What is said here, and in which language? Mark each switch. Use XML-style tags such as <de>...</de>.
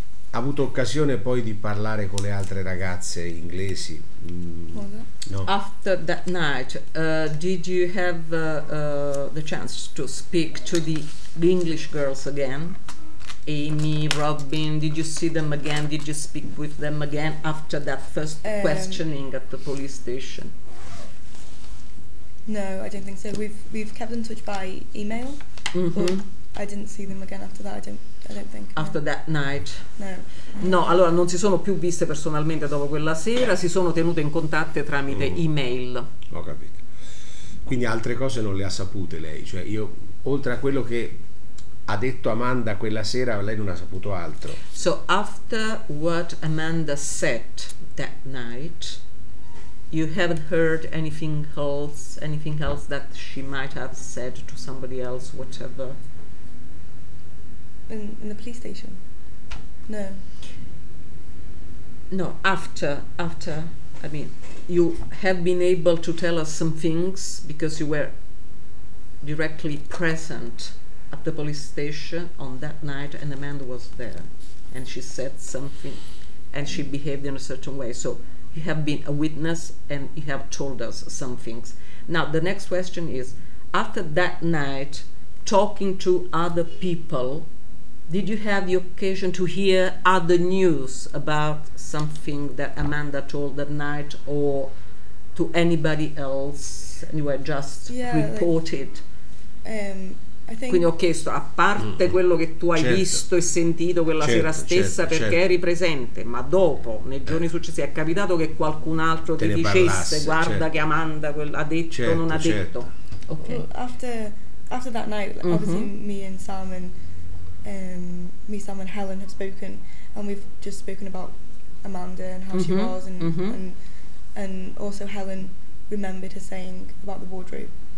<it>Ha avuto occasione poi di parlare con le altre ragazze inglesi?</it> <en>After that night, did you have the chance to speak to the English girls again? Amy, Robin, did you see them again? Did you speak with them again after that first questioning at the police station? No, I don't think so. We've kept in touch by email. I didn't see them again after that. I don't think. After that night. No.</en> <it>No, allora non si sono più viste personalmente dopo quella sera, si sono tenute in contatto tramite email. Ho capito. Quindi altre cose non le ha sapute lei, cioè io oltre a quello che ha detto Amanda quella sera, lei non ha saputo altro.</it> <en>So after what Amanda said that night, you haven't heard anything else that she might have said to somebody else, whatever. In the police station? No. After, I mean, you have been able to tell us some things because you were directly present at the police station on that night, and Amanda was there, and she said something, and she behaved in a certain way. So you have been a witness, and you have told us some things. Now, the next question is, after that night, talking to other people, did you have the occasion to hear other news about something that Amanda told that night, or to anybody else, and you were just reported. I think</en> <it>quindi ho chiesto, a parte quello che tu hai visto e sentito quella sera stessa, perché eri presente, ma dopo, nei giorni successivi, è capitato che qualcun altro ti dicesse, guarda che Amanda ha detto o non ha detto?</it> <en>Okay. Well, after that night, like, obviously me, Sam and Helen have spoken, and we've just spoken about Amanda and how she was, and, and also Helen remembered her saying about the wardrobe.</en>